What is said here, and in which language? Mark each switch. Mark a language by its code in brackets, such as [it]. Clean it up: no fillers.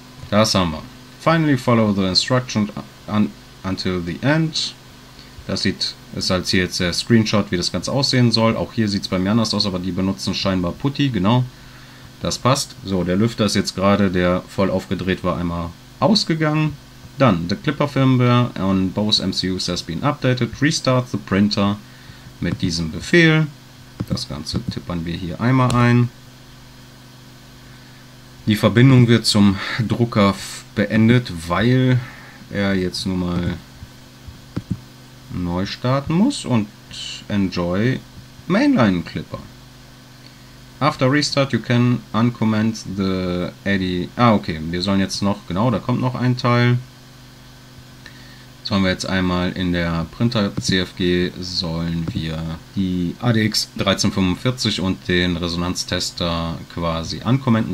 [de] Das haben wir. [en] Finally follow the instructions until the end. [de] Das ist halt hier jetzt der Screenshot, wie das Ganze aussehen soll. Auch hier sieht es bei mir anders aus, aber die benutzen scheinbar Putty, genau. Das passt. So, der Lüfter ist jetzt gerade, der voll aufgedreht war, einmal ausgegangen. [en] Dann, the Clipper Firmware on both MCUs has been updated. Restart the printer [de] mit diesem Befehl. Das Ganze tippern wir hier einmal ein. Die Verbindung wird zum Drucker beendet, weil er jetzt nun mal neu starten muss und [en] enjoy Mainline Clipper. After restart, you can uncomment the Eddy. [de] Ah, okay, wir sollen jetzt noch, genau, da kommt noch ein Teil. Sollen wir jetzt einmal in der Printer-CFG, sollen wir die ADX 1345 und den Resonanztester quasi uncommenten.